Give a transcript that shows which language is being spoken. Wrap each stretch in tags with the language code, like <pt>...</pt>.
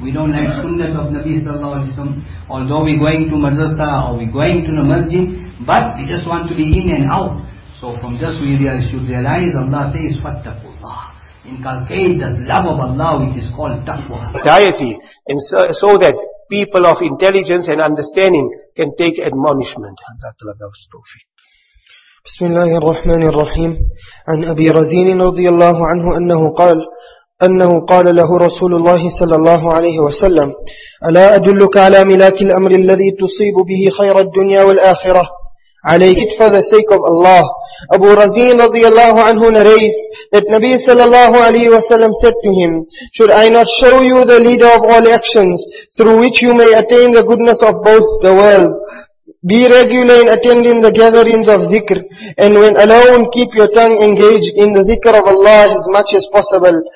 <en>We don't like Sunnah of Nabi Sallallahu Alaihi Wasallam, although we're going to madrasa or we're going to the masjid, but we just want to be in and out. So from this we should realize, Allah says, Fattakullah. Inculcate the love of Allah, which is called taqwa. Deity, and so that people of intelligence and understanding can take admonishment.</en> <ar>بسم الله الرحمن الرحيم عن أبي رزين رضي الله عنه أنه قال له رسول الله صلى الله عليه وسلم ألا أدلك على ملاك الأمر الذي تصيب به خير الدنيا والآخرة عليك</ar> <en>for the sake of Allah. Abu Razin radiyallahu anhu narrates that Nabi sallallahu alayhi wa sallam said to him, should I not show you the leader of all actions through which you may attain the goodness of both the worlds? Be regular in attending the gatherings of dhikr, and when alone, keep your tongue engaged in the dhikr of Allah as much as possible.</en>